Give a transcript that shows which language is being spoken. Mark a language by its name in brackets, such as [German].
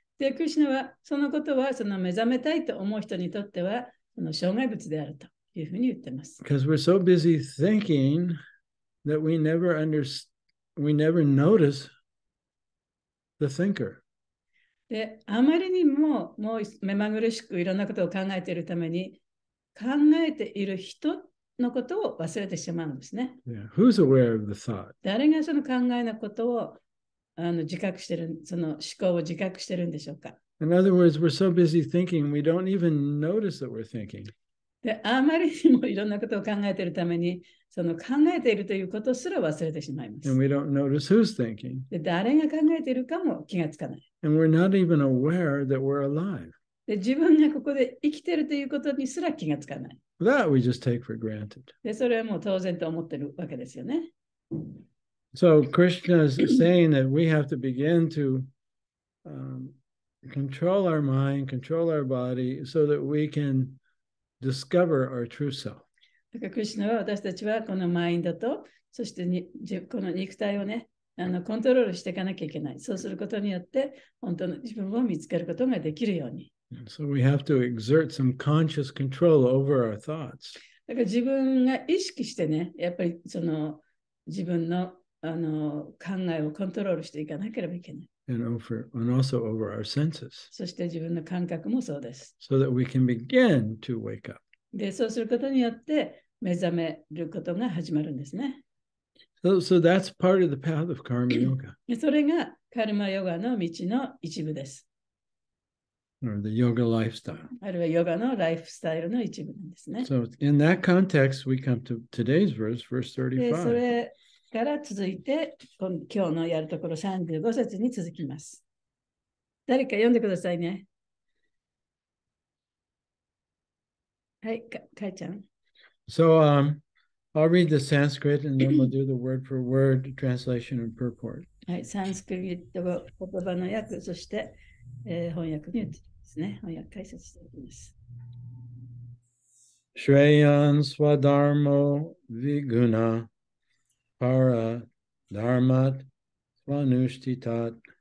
[Japanese] で、クリシュナはそのことはその目覚めたいと思う人にとってはその障害物であるというふうに言ってます。 [English] Because we're so busy thinking that we never notice the thinker. [Japanese] で、あまりにももう目まぐるしくいろんなことを考えているために考えている人のことを忘れてしまうんですね。 [English] Yeah. Who's aware of the thought? [Japanese] 誰がその考えのことを自覚してる、その思考を自覚してるんでしょうか。 [English] In other words, we're so busy thinking, we don't even notice that we're thinking. [Japanese] で、あまりにもいろんなことを考えているために、その考えているということすら忘れてしまいます。 [English] And we don't notice who's thinking. [Japanese] で、誰が考えているかも気がつかない。 [English] And we're not even aware that we're alive. [Japanese] で、自分がここで生きているということにすら気がつかない。 [English] That we just take for granted. [Japanese] で、それはもう当然と思ってるわけですよね。 [English] So Krishna is saying that we have to begin to control our mind, control our body, so that we can discover our true self. [Japanese] だから、クリシュナは私たちはこのマインドと、そしてこの肉体をね、コントロールしていかなきゃいけない。そうすることによって、本当の自分を見つけることができるように。 [English] So we have to exert some conscious control over our thoughts. [Japanese] だから自分が意識してね、やっぱりその自分の考えをコントロールしていかなければいけない。 [English] And also over our senses. [Japanese] そして自分の感覚もそうです。 [English] So that we can begin to wake up. [Japanese] で、そうすることによって目覚めることが始まるんですね。 [English] So that's part of the path of karma yoga. [Japanese] それがカルマヨガの道の一部です。 [English] Or the yoga lifestyle. [Japanese] あるいはヨガのライフスタイルの一部なんですね。 [English] So in that context, we come to today's verse, verse 35. [Japanese] で、それから続いて、今日のやるところ35節に続きます。誰か読んでくださいね。はい、かいちゃん。 [English] So, I'll read the Sanskrit and then we'll do the word for word translation and purport. [Japanese] はい、サンスクリット語、言葉の訳、そして、翻訳に移りますね。翻訳解説しております。 [Sanskrit] Shreyan Swadharmo Viguna Para Dharmat Svanushtitat